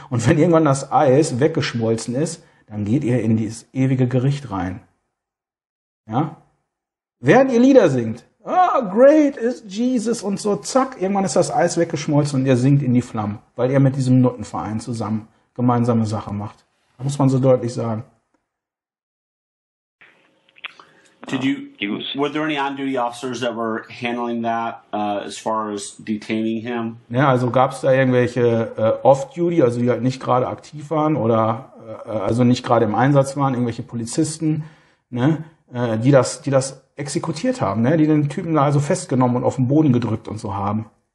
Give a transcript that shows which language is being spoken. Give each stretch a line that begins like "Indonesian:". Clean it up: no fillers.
German: Und wenn irgendwann das Eis weggeschmolzen ist, dann geht ihr in dieses ewige Gericht rein. Ja? Während ihr Lieder singt,
English: oh, great is Jesus
German: und so, zack, irgendwann ist das Eis weggeschmolzen und ihr singt in die Flammen, weil ihr mit diesem Nuttenverein zusammen gemeinsame Sache macht. Da muss man so deutlich sagen.
English: Were there any on-duty officers that were handling that as far as detaining him?
German: Ja, also gab es da irgendwelche off-duty, also die halt nicht gerade aktiv waren oder also nicht gerade im Einsatz waren, irgendwelche Polizisten, ne, die das exekutiert haben, ne, die den Typen da also festgenommen und auf den Boden gedrückt und so haben?